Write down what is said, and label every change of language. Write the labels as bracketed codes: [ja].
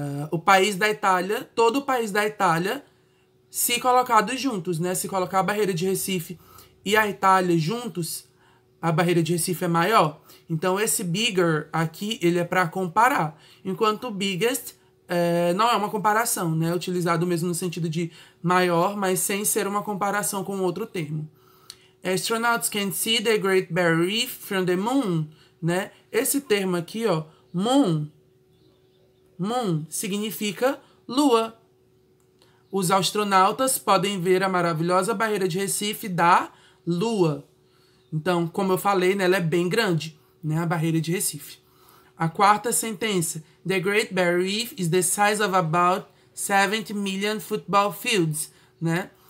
[pt] o país da Itália, todo o país da Itália, se colocados juntos, né? Se colocar a Barreira de Recife e a Itália juntos, a Barreira de Recife é maior. Então, esse bigger aqui, ele é para comparar. Enquanto o biggest não é uma comparação, né? Utilizado mesmo no sentido de maior, mas sem ser uma comparação com outro termo. [en] Astronauts can see the Great Barrier Reef from the Moon, né? [pt] Esse termo aqui, ó, Moon significa lua. Os astronautas podem ver a maravilhosa Barreira de Recife da lua. Então, como eu falei, né, ela é bem grande, né, a Barreira de Recife. A quarta sentença: [en] The Great Barrier Reef is the size of about 70 million football fields, né?